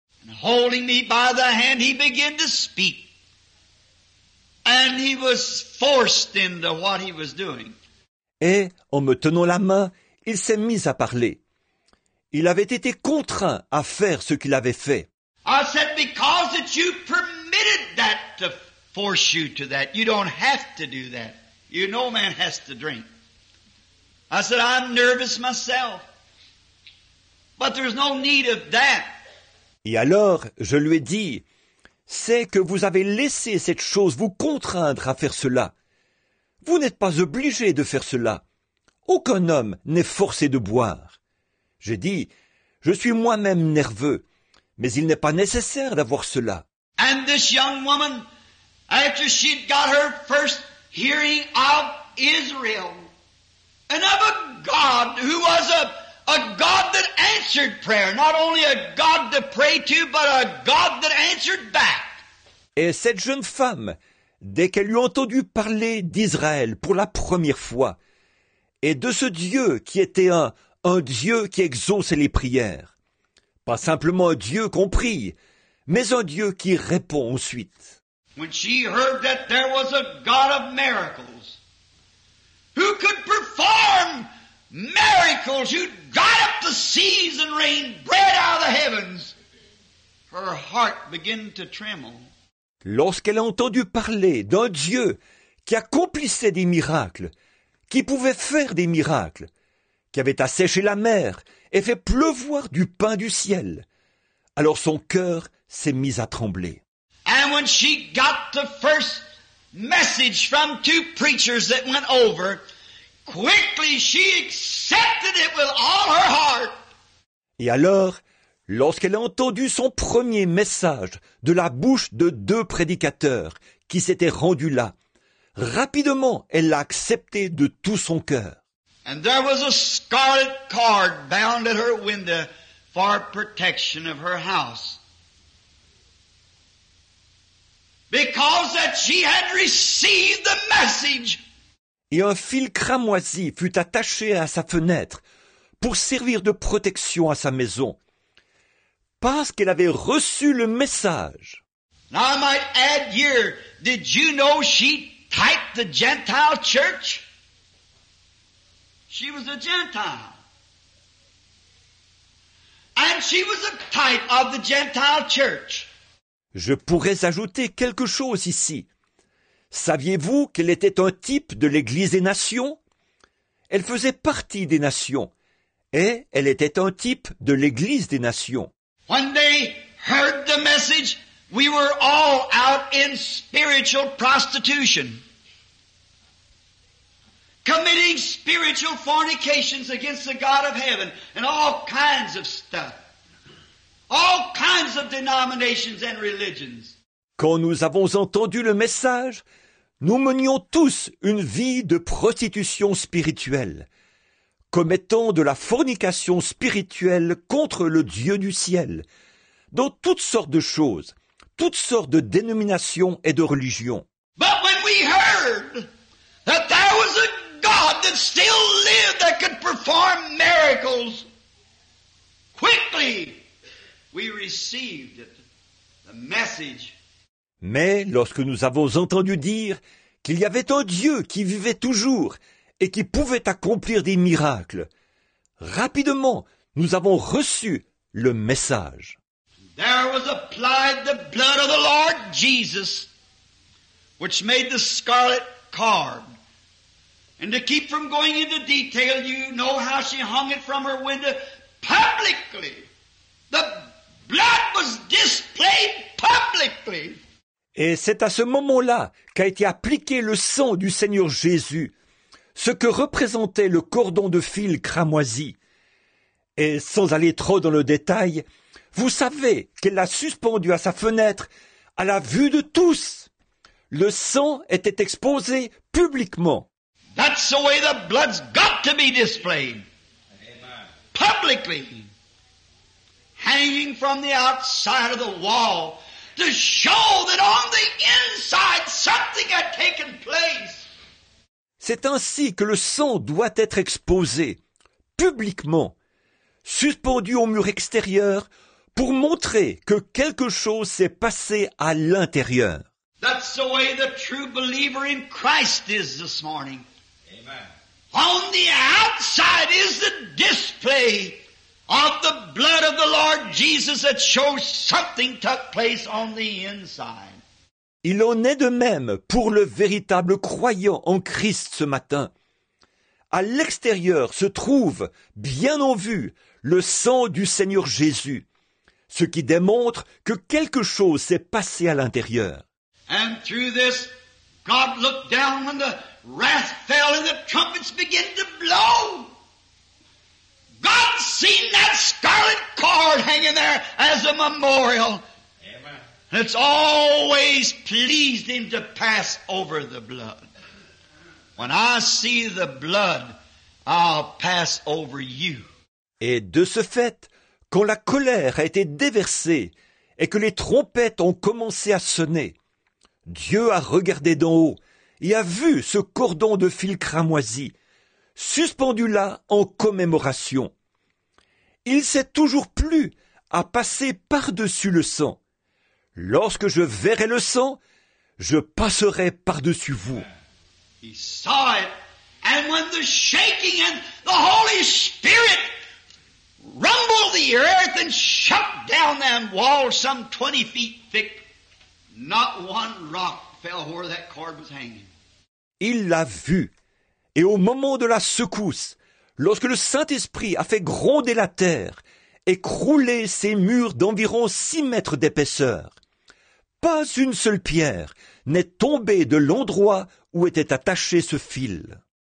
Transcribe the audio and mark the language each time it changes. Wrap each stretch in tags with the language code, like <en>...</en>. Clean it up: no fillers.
<en>And holding me by the hand, he began to speak. And he was forced into what he was doing.</en> <fr>Et en me tenant la main, il s'est mis à parler. Il avait été contraint à faire ce qu'il avait fait.</fr> <en>I said, because that you permitted that to force you to that. You don't have to do that. You know, man has to drink. I said, I'm nervous myself. But there's no need of that.</en> <fr>Et alors, je lui ai dit, c'est que vous avez laissé cette chose vous contraindre à faire cela. Vous n'êtes pas obligé de faire cela. Aucun homme n'est forcé de boire. J'ai dit, je suis moi-même nerveux, mais il n'est pas nécessaire d'avoir cela.</fr> <en>And this young woman, after she'd got her first hearing of Israel, and of a God who was a God that answered prayer, not only a God to pray to, but a God that answered back.</en> <fr>Et cette jeune femme, dès qu'elle eut entendu parler d'Israël pour la première fois, et de ce Dieu qui était un Dieu qui exauce les prières, pas simplement un Dieu qu'on prie, mais un Dieu qui répond ensuite.</fr> <en>When she heard that there was a God of miracles, who could perform miracles, who dried up the seas and rained bread out of the heavens, her heart began to tremble.</en> <fr>Lorsqu'elle a entendu parler d'un Dieu qui accomplissait des miracles, qui pouvait faire des miracles, qui avait asséché la mer et fait pleuvoir du pain du ciel, alors son cœur s'est mis à trembler.</fr> <en>And when she got the first message from two preachers that went over, quickly she accepted it with all her heart.</en> <fr>Et alors, lorsqu'elle a entendu son premier message de la bouche de deux prédicateurs qui s'étaient rendus là, rapidement elle l'a accepté de tout son cœur.</fr> <en>And there was a scarlet cord bound at her window for protection of her house. Because that she had received the message.</en> <fr>Et un fil cramoisi fut attaché à sa fenêtre pour servir de protection à sa maison, parce qu'elle avait reçu le message.</fr> <en>Now I might add here, did you know she typed the Gentile church? She was a Gentile. And she was a type of the Gentile church.</en> <fr>Je pourrais ajouter quelque chose ici. Saviez-vous qu'elle était un type de l'Église des nations? Elle faisait partie des nations, et elle était un type de l'Église des nations.</fr> <en>When they heard the message, we were all out in spiritual prostitution, committing spiritual fornications against the God of heaven, and all kinds of stuff. All kinds of denominations and religions.</en> <fr>Quand nous avons entendu le message, nous menions tous une vie de prostitution spirituelle, commettant de la fornication spirituelle contre le Dieu du ciel, dans toutes sortes de choses, toutes sortes de dénominations et de religions.</fr> <en>But when we heard that there was a God that that still lived that could perform miracles. Quickly, we received it, the message.</en> <fr>Mais lorsque nous avons entendu dire qu'il y avait un Dieu qui vivait toujours et qui pouvait accomplir des miracles, rapidement, nous avons reçu le message.</fr> <en>There was applied the blood of the Lord Jesus, which made the scarlet cord. And to keep from going into detail, you know how she hung it from her window publicly. The blood was displayed publicly.</en> <fr>Et c'est à ce moment-là qu'a été appliqué le sang du Seigneur Jésus, ce que représentait le cordon de fil cramoisi. Et sans aller trop dans le détail, vous savez qu'elle l'a suspendu à sa fenêtre, à la vue de tous. Le sang était exposé publiquement.</fr> <en>That's the way the blood's got to be displayed. Publicly. Hanging from the outside of the wall. To show that on the inside something had taken place.</en> <fr>C'est ainsi que le sang doit être exposé, publiquement, suspendu au mur extérieur, pour montrer que quelque chose s'est passé à l'intérieur.</fr> <en>That's the way the true believer in Christ is this morning. Amen. On the outside is the display of the blood of the Lord Jesus that shows something took place on the inside.</en> <fr>Il en est de même pour le véritable croyant en Christ ce matin. À l'extérieur se trouve, bien en vue, le sang du Seigneur Jésus, ce qui démontre que quelque chose s'est passé à l'intérieur.</fr> <en>And through this, God looked down when the wrath fell and the trumpets began to blow. God seen that scarlet cord hanging there as a memorial. Amen. It's always pleased him to pass over the blood. When I see the blood, I'll pass over you.</en> <fr>Et de ce fait, quand la colère a été déversée et que les trompettes ont commencé à sonner, Dieu a regardé d'en haut et a vu ce cordon de fil cramoisi, suspendu là en commémoration. Il s'est toujours plu à passer par-dessus le sang. Lorsque je verrai le sang, je passerai par-dessus vous.</fr> <en>He saw it, and when the shaking and the Holy Spirit rumbled the earth and shook down that wall some 20 feet thick, not one rock fell where that cord was hanging.</en> <fr>Il l'a vu. Et au moment de la secousse, lorsque le Saint-Esprit a fait gronder la terre et crouler ses murs d'environ 6 mètres d'épaisseur, pas une seule pierre n'est tombée de l'endroit où était attaché ce fil.</fr>